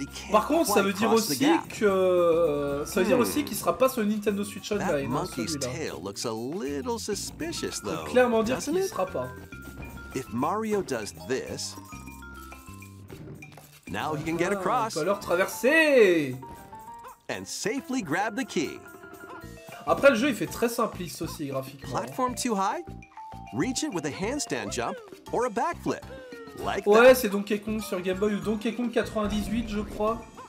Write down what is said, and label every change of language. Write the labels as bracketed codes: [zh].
[fr] Par contre, ça veut dire aussi qu'il sera pas sur Nintendo Switch Online. Celui-là. Clairement dire qu'il ne sera pas. [en] If Mario does this, now he can get across. [fr] On peut alors traverser. [en] And safely grab the key. [fr] Après, le jeu, il fait très simpliste aussi graphiquement. [en] Platform too high? Reach it with a handstand jump or a backflip. [fr] Like ouais, c'est Donkey Kong sur Game Boy ou Donkey Kong 98, je crois.